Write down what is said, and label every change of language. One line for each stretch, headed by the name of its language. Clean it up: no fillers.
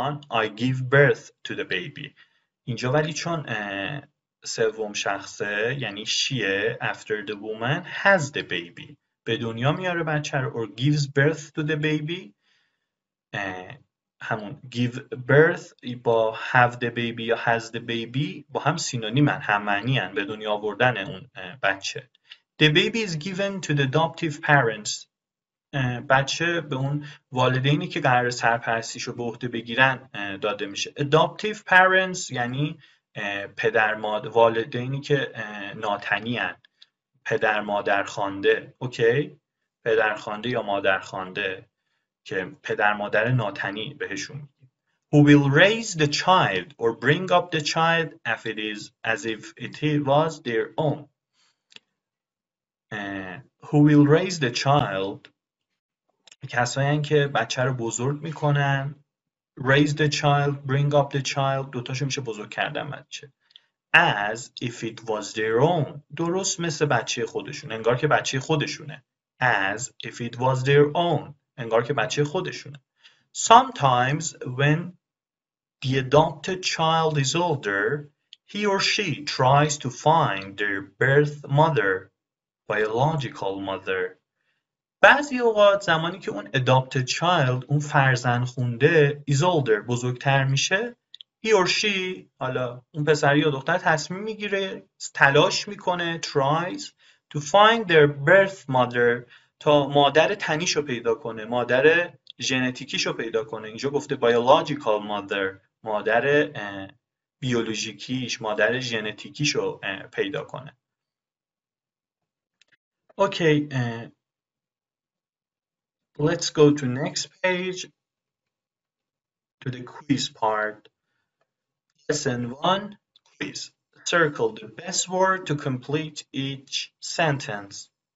English: I give birth to the baby.
Persian: اینجا ولی چون سوم شخصه یعنی شیه، after the woman has the baby، به دنیا میاره بچه رو، or gives birth to the baby، همون give birth با have the baby یا has the baby با هم سینونیمن، هم معنین به دنیا آوردن اون بچه. The baby is given to the adoptive parents، بچه به اون والدینی که قرار سرپرستیشو به عهده بگیرن داده میشه. adoptive parents یعنی پدر مادر، والدینی که ناتنیان، پدر مادر خوانده، اوکی، پدر خوانده یا مادر خوانده که پدر مادر ناتنی بهشون میگیم.
English: Who will raise the child or bring up the child if it is as if it was their own.
Persian: Who will raise the child، کسایی که بچه رو بزرگ میکنن.
English: Raise the child، bring up the child، دوتاشو میشه بزرگ کردن بچه.
Persian: As if it was their own، درست مثل بچه خودشون، انگار که بچه خودشونه.
English: As if it was their own، انگار که بچه خودشونه. Sometimes when the adopted child is older، he or she tries to find their birth mother، biological mother.
Persian: بعضی اوقات زمانی که اون adopted child، اون فرزن خونده، is older، بزرگتر میشه، he or she، حالا اون پسر یا دختر، تصمیم میگیره، تلاش میکنه، tries to find their birth mother، تا مادر تنیشو پیدا کنه، مادر ژنتیکیشو پیدا کنه. اینجا گفته biological mother، مادر بیولوژیکیش، مادر ژنتیکیشو پیدا کنه.
English: Okay, let's go to next page, to the quiz part. Lesson one, quiz. Circle the best word to complete each sentence.